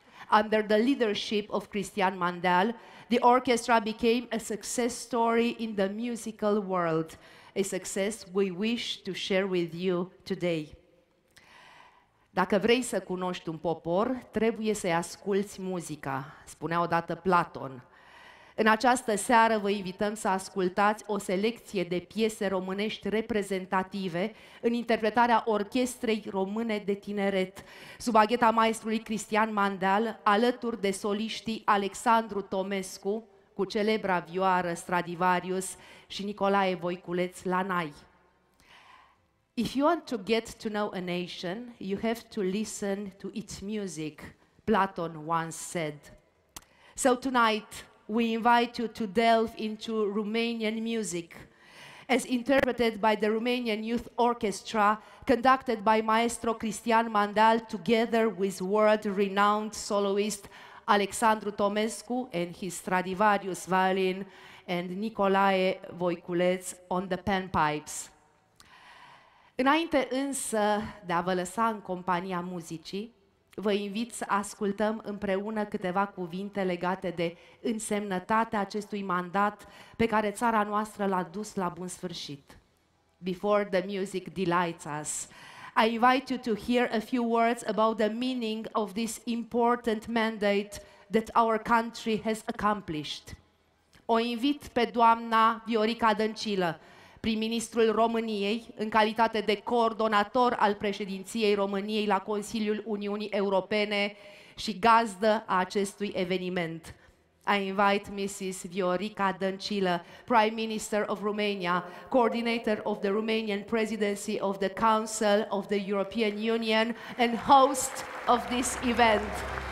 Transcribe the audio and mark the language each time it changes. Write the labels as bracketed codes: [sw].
[en] Under the leadership of Cristian Mandeal, the orchestra became a success story in the musical world, a success we wish to share with you today. [ro] Dacă vrei să cunoști un popor, trebuie să-i asculți muzica, spunea odată Platon. În această seară vă invităm să ascultați o selecție de piese românești reprezentative în interpretarea Orchestrei Române de Tineret, sub agheta maestrului Cristian Mandeal, alături de soliștii Alexandru Tomescu, cu celebra vioară Stradivarius, și Nicolae Voiculeț la nai. [en] If you want to get to know a nation, you have to listen to its music, Platon once said. So tonight, we invite you to delve into Romanian music, as interpreted by the Romanian Youth Orchestra, conducted by Maestro Cristian Mandeal, together with world-renowned soloist Alexandru Tomescu and his Stradivarius violin, and Nicolae Voiculeț on the panpipes. [ro] Înainte însă de a vă lăsa în compania muzicii, vă invit să ascultăm împreună câteva cuvinte legate de însemnătatea acestui mandat pe care țara noastră l-a dus la bun sfârșit. [en] Before the music delights us, I invite you to hear a few words about the meaning of this important mandate that our country has accomplished. [ro] O invit pe doamna Viorica Dăncilă, prim-ministrul României, în calitate de coordonator al președinției României la Consiliul Uniunii Europene și gazdă a acestui eveniment. [en] I invite Mrs. Viorica Dăncilă, Prime Minister of Romania, coordinator of the Romanian Presidency of the Council of the European Union and host of this event.